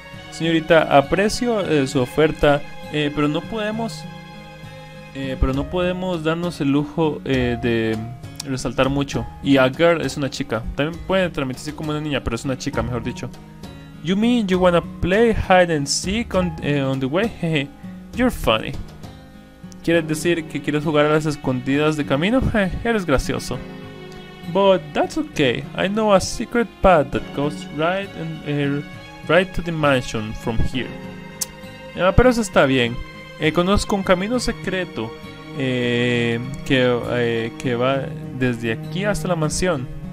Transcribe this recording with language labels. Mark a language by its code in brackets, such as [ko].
[es] Señorita, aprecio su oferta, pero no podemos darnos el lujo de resaltar mucho. Y a girl es una chica. También puede transmitirse como una niña, pero es una chica, mejor dicho. [en] You mean you wanna play hide and seek on the way? You're funny. [es] ¿Quieres decir que quieres jugar a las escondidas de camino? Eres gracioso. [en] But that's okay. I know a secret path that goes right in here. Right to the mansion from here. [es] Pero eso está bien. Conozco un camino secreto que va desde aquí hasta la mansión.